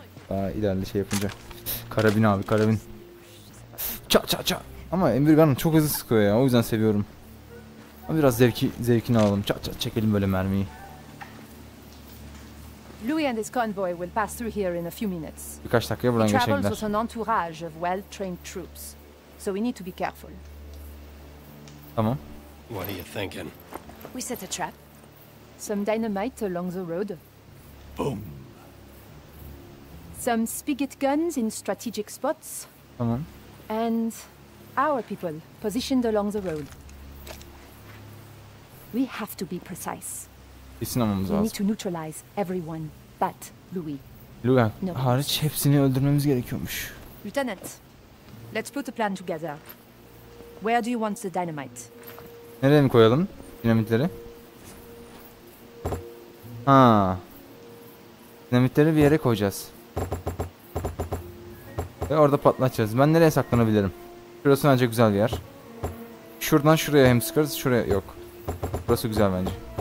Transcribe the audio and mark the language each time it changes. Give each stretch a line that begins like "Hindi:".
Turkish: Daha ilerli şey yapınca. Karabin abi, karabin. Ça ça ça. Ama Emirgan'ım çok hızlı sıkıyor ya. O yüzden seviyorum. Ama biraz zevkini alalım. Ça ça çekelim böyle mermiyi.
English: Louis and his convoy will pass through here in a few minutes.
Turkish: Birkaç dakikaya buradan geçecekler.
English: He travels with an entourage of well-trained troops. So we need to be careful.
Turkish: Tamam.
English: What are you thinking? We set a trap. Some dynamite along the road. Boom. Some spigot guns in strategic spots.
Turkish: Tamam.
English: And our people positioned along the road. We have to be precise.
Turkish: İsinamamız lazım.
English: We need to neutralize everyone but Louis. Louis no.
Turkish: Hariç hepsini öldürmemiz gerekiyormuş.
English: Lieutenant, let's put a plan together. Where do you want the dynamite?
Turkish: Nereye mi koyalım dinamitleri? Ha. Dinamitleri bir yere koyacağız. Ve orada patlatacağız. Ben nereye saklanabilirim? Şurası bence güzel bir yer. Şuradan şuraya hem sıkarız, şuraya yok. Burası güzel bence.